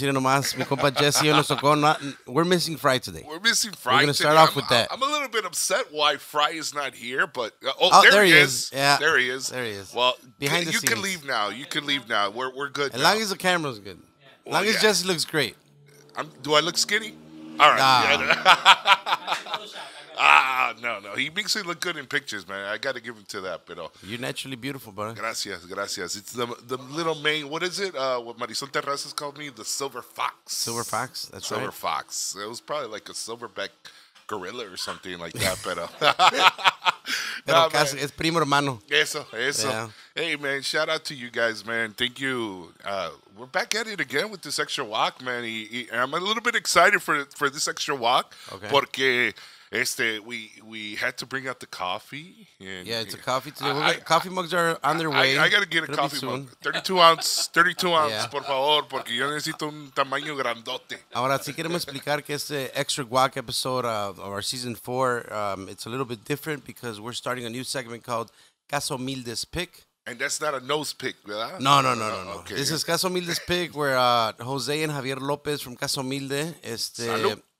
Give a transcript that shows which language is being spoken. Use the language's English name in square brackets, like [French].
[Spanish] Mire nomás, mi compa Jesse, hoy nos tocó. [English] We're missing Fry today. We're missing Fry today. We're going to start off with that. I'm a little bit upset why Fry is not here, but... Oh, there he is. Yeah. There he is. There he is. Well, behind the scenes. You can leave now. You can leave now. We're good as long as the camera's good. As long as Jesse looks great. Do I look skinny? All right. Nah. No. He makes me look good in pictures, man. I got to give him to that, [Spanish] pero. [English] You're naturally beautiful, bro. [Spanish] Gracias. [English] It's the little main, what is it? What Marisol Terrazas called me? The silver fox. Silver fox? That's silver right. Silver fox. It was probably like a silverback gorilla or something like that, [Spanish] pero. Pero nah, casi, es primo hermano. Eso. [English] Yeah. Hey, man, shout out to you guys, man. Thank you. We're back at it again with this extra walk, man. I'm a little bit excited for this extra walk. Okay. [Spanish] Porque... [English] We had to bring out the coffee. And yeah, it's a coffee today. Coffee mugs are on their way. I got to get a coffee mug. 32 ounce, yeah. [Spanish] Por favor, porque yo necesito un tamaño grandote. Ahora, si queremos explicar que este [English] extra guac episode of our season 4, it's a little bit different because we're starting a new segment called Casa Humilde's Pick. And that's not a nose pick, [Spanish] ¿verdad? [English] No. Okay. This is Casa Humilde's Pick where Jose and Javier Lopez from Casa Humilde. [Spanish] Salud.